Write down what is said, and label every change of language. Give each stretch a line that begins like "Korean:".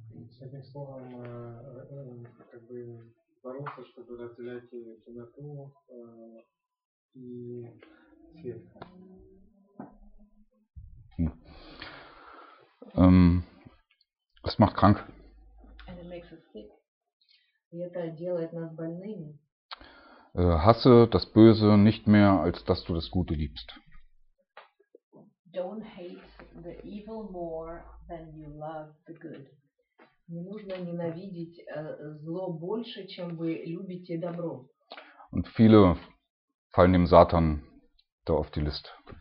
Russian: С этим словом как бы бороться, чтобы разделять темноту и свет.
German: Das macht krank.
English: And it makes us sick.
Russian: И это делает нас больными.
German: Hasse das Böse nicht mehr, als dass du das Gute liebst.
English: Don't hate the evil more than you love the good.
Russian: Не нужно ненавидеть зло больше, чем вы любите добро.
German: Und viele fallen dem Satan da auf die List.